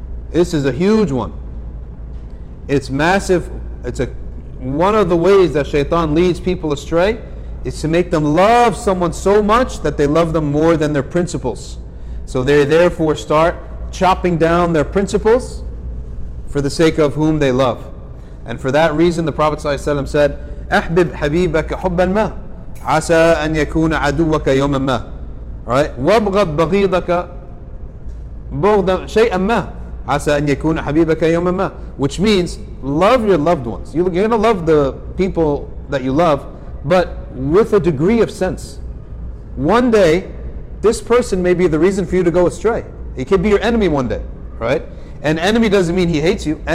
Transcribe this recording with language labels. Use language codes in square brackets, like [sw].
[en] This is a huge one. It's massive. One of the ways that Shaitan leads people astray is to make them love someone so much that they love them more than their principles. So they therefore start chopping down their principles for the sake of whom they love. And for that reason, the Prophet ﷺ said, [ar] "أحبب حبيبك حبا ما عسى أن يكون عدوك يوما ما." [en] Right? [ar] وابغض بغيضك بغضا شيئا ما. عَسَىٰ أَنْ يَكُونَ حَبِيبَكَ يَوْمَ مَا. [en] Which means, love your loved ones. You're going to love the people that you love, but with a degree of sense. One day, this person may be the reason for you to go astray. He could be your enemy one day, right? And enemy doesn't mean he hates you.